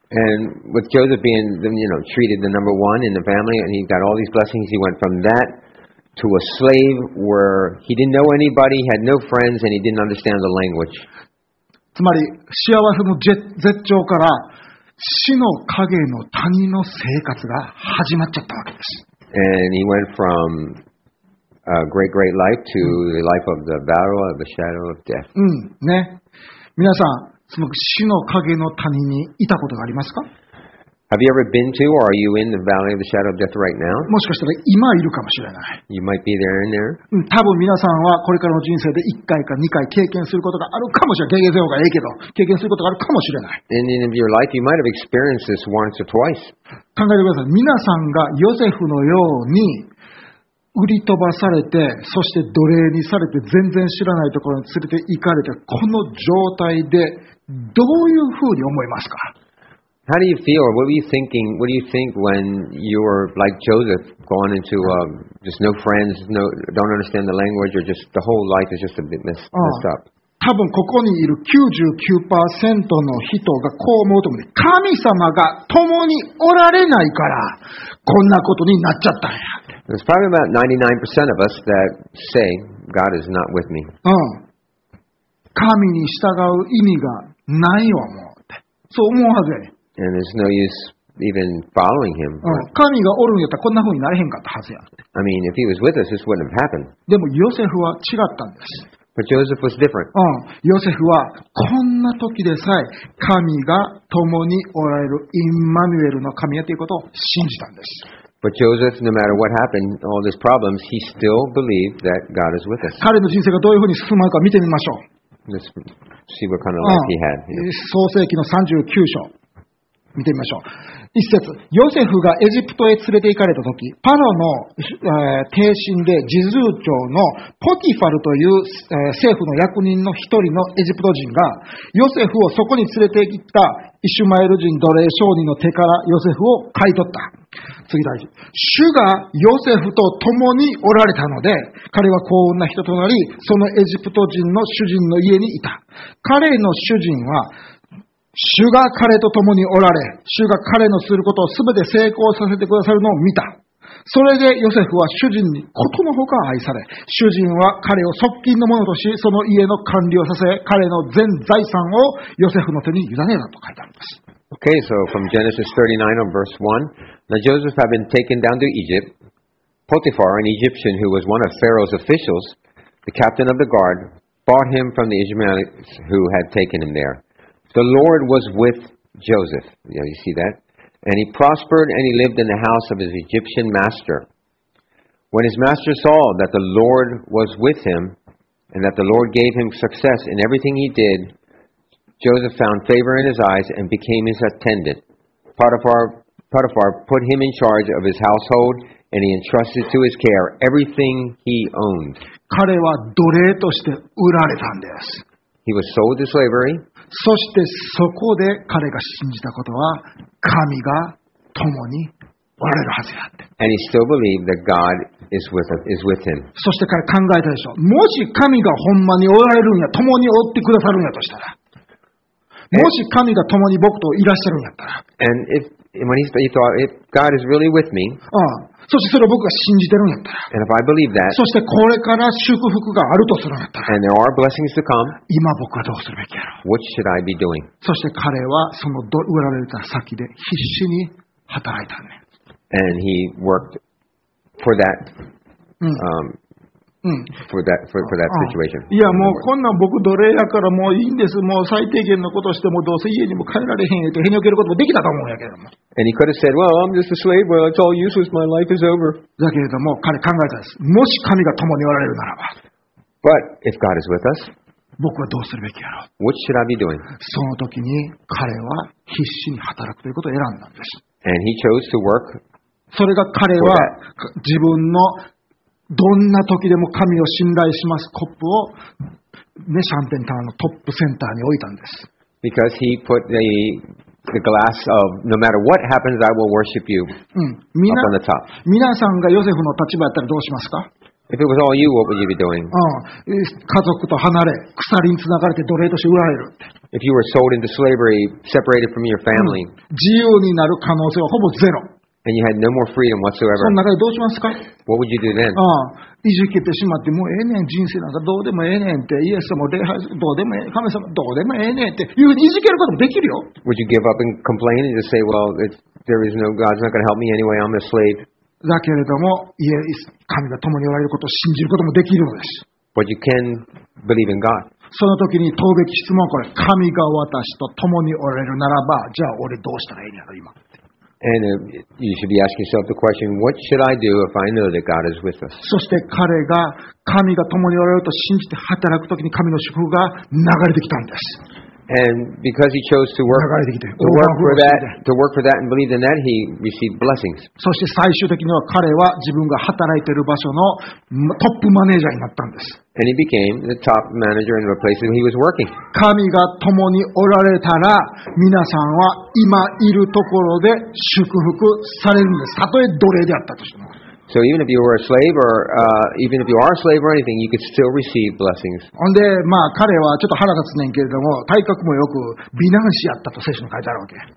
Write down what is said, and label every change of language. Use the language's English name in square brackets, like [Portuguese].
[English] And with Joseph being, you know, treated the number one in the family, and he got all these blessings, he went from that. To a slave where he didn't know anybody, had no friends, and he didn't understand the language. [Japanese] つまり幸せの絶頂から死の影の谷の生活が始まっちゃったわけです。 [English] And he went from a great, great life to the life of the valley of the shadow of death. [Japanese] ね。皆さん、その死の影の谷にいたことがありますか？ [English] Have you ever been to or are you in the valley of the shadow of death right now? [Japanese] もしかしたら今いるかもしれない。 [English] You might be there and there. [Japanese] 多分皆さんはこれからの人生で1回か2回経験することがあるかもしれない。経験せよがいいけど、経験することがあるかもしれない。 [English] In the end of your life, you might have experienced this once or twice. [Japanese] 考えてください。皆さんがヨセフのように売り飛ばされて、そして奴隷にされて、全然知らないところに連れて行かれて、この状態でどういうふうに思いますか？ [English] How do you feel? What were you thinking? What do you think when you were like Joseph, going into just no friends, no, don't understand the language, or just the whole life is just a bit messed up? [Japanese] 多分ここにいる 99% の人がこう思うと思うね。神様が共におられないからこんなことになっちゃったんや。 [English] There's probably about 99% of us that say God is not with me. [Japanese] 神に従う意味がないわもう。そう思うはずやね。 [English] And there's no use even following him. [Japanese] 神がおるんやったらこんな風になれへんかったはずや。 [English] I mean, if he was with us, this wouldn't have happened. [Japanese] でもヨセフは違ったんです。 [English] But Joseph was different. [Japanese] ヨセフはこんな時でさえ神が共におられるインマヌエルの神やということを信じたんです。 [English] But Joseph, no matter what happened, all these problems, he still believed that God is with us. [Japanese] 彼の人生がどういう風に進むのか見てみましょう。 [English] Let's see what kind of life he had. [Japanese] 創世記の39章。見てみましょう。一節、ヨセフがエジプトへ連れて行かれたとき、パロの帝臣で侍従長のポティファルという、政府の役人の一人のエジプト人が、ヨセフをそこに連れて行ったイシュマエル人奴隷商人の手からヨセフを買い取った。次大事。主がヨセフと共におられたので、彼は幸運な人となり、そのエジプト人の主人の家にいた。彼の主人は、主が彼と共におられ、主が彼のすることをすべて成功させてくださるのを見た。それでヨセフは主人にことのほか愛され、主人は彼を側近のものとし、その家の管理をさせ、彼の全財産をヨセフの手に委ねたと書いてあります。 [English] Okay, so from Genesis 39 on verse 1, Now Joseph had been taken down to Egypt. Potiphar, an Egyptian who was one of Pharaoh's officials, the captain of the guard, bought him from the Ishmaelites who had taken him there. The Lord was with Joseph. Yeah, you see that? And he prospered and he lived in the house of his Egyptian master. When his master saw that the Lord was with him and that the Lord gave him success in everything he did, Joseph found favor in his eyes and became his attendant. Potiphar Potiphar put him in charge of his household, and he entrusted to his care everything he owned. [Japanese] 彼は奴隷として売られたんです。 [English] He was sold to slavery. [Japanese] そしてそこで彼が信じたことは、神が共におられるはずだって。 [English] And he still believed that God is with him. [Japanese] そして彼考えたでしょう。もし神がほんまにおられるんや、共におってくださるんやとしたら。もし神が共に僕といらっしゃるんやったら。 [English] And if, when he thought, if God is really with me, [Japanese] ああそしてそれを僕が信じてるんやったら。 [English] And if I believe that, [Japanese] そしてこれから祝福があるとするんやったら。 [English] And there are blessings to come, [Japanese] 今僕はどうするべきやろう。 [English] What should I be doing? [Japanese] そして彼はその売られた先で必死に働いたんね。 [English] And he worked for that, for that situation. [Japanese] いやもうこんなん僕奴隷やからもういいんです。もう最低限のことしてもどうせ家にも帰られへんよとへにおけることもできたと思うんやけども。 [English] And he could have said, "Well, I'm just a slave. Well, it's all useless. My life is over." [Japanese] だけれども彼考えたんです。もし神が共におられるならば。 [English] But if God is with us, [Japanese] 僕はどうするべきやろう。 [English] What should I be doing? [Japanese] その時に彼は必死に働くということを選んだんです。 [English] And he chose to work. [Japanese] それが彼は自分のどんな時でも神を信頼しますコップを、ね、シャンペンタワーのトップセンターに置いたんです。 [English] Because he put the glass of no matter what happens, I will worship you up on the top. [Japanese] 皆さんがヨセフの立場やったらどうしますか？ [English] If it was all you, what would you be doing? [Japanese] 家族と離れ、鎖につながれて奴隷として売られる。 [English] If you were sold into slavery, separated from your family, [Japanese] 自由になる可能性はほぼゼロ。 [English] And you had no more freedom whatsoever. [Japanese] その中でどうしますか? [English] What would you do then? [Japanese] いじけてしまって、もうええねん、人生なんかどうでもええねんって、イエス様、礼拝、どうでもええ、神様、どうでもええねんって、いうふうにいじけることもできるよ。 [English] Would you give up and complain and just say, well, there is no, God's not going to help me anyway, I'm a slave? [Japanese] だけれども、イエス、神が共におられることを信じることもできるのです。 [English] But you can believe in God. [Japanese] その時に問うべき質問はこれ、神が私と共におられるならば、じゃあ俺どうしたらいいんやろ、今。 [English] And you should be asking yourself the question, what should I do if I know that God is with us? [Japanese] そして彼が神が共におられると信じて働くときに神の祝福が流れてきたんです。 [English] And because he chose to work, to work for that and believe in that, he received blessings. [Japanese] そして最終的には彼は自分が働いている場所のトップマネージャーになったんです。 [English] And he became the top manager in the place where he was working. [Japanese] 神が共におられたら、皆さんは今いるところで祝福されるんです。たとえ奴隷であったとしても。 [English] So even if you were a slave or even if you are a slave or anything, you could still receive blessings. [Japanese] んで、まあ彼はちょっと腹立つねんけれども、体格もよく美男子やったと聖書に書いてあるわけ。